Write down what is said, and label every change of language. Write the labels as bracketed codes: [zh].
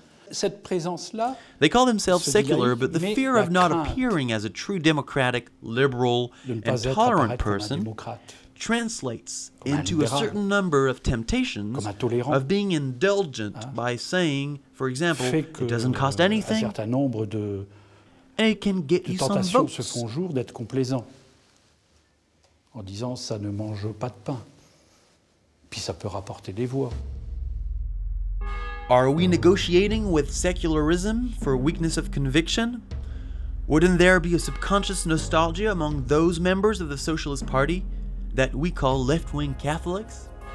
[en] They call themselves secular, but the fear of not appearing as a true democratic, liberal, and tolerant person translates into a certain number of temptations of being indulgent by saying, for example, it doesn't cost anything and it can get you some votes. [fr] Se font jour d'être complaisant en disant ça ne mange pas de pain puis ça peut rapporter des voix. [en] Are we negotiating with secularism for weakness of conviction? Wouldn't there be a subconscious nostalgia among those members of the Socialist Party that we call left-wing Catholics?